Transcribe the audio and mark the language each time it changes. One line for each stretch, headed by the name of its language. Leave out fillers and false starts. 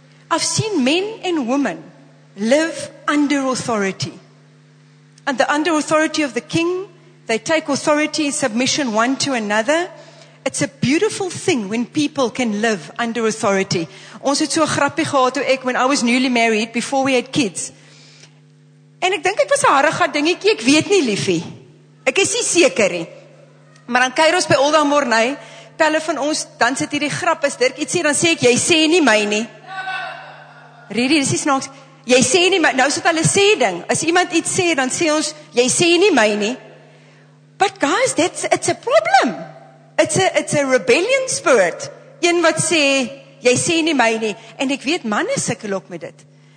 English: I've seen men and women live under authority. And the under authority of the king, they take authority and submission one to another. It's a beautiful thing when people can live under authority.
Afrikaans: Ons het so grappie gehad toe ek,
English: when I was newly married, before we had kids.
Afrikaans: En ek dink ek was 'n harige dingetjie, ek weet nie liefie. Ek is nie seker nie. Maar dan kuier ons by Olda Mornay, pelle van ons, dan sit hier die grap, as Dirk iets sê, dan sê ek, jy sê nie my nie. Riri, dis die snaaks. Jy sê nie my, nou is dit hulle sê ding. As iemand iets sê, dan sê ons, jy sê nie my nie.
English: But guys, it's a problem. It's a rebellion spirit.
Afrikaans: Een wat sê, jy sê nie my nie. En ek weet, manne sukkel ook met dit.